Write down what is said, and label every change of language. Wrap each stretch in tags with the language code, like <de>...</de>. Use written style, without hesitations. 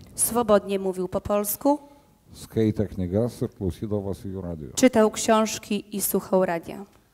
<pl>Swobodnie mówił po polsku.</pl> <lt>Skaitė knygas ir klausydavosi jų radio.</lt> <pl>Czytał książki i słuchał radia.</pl>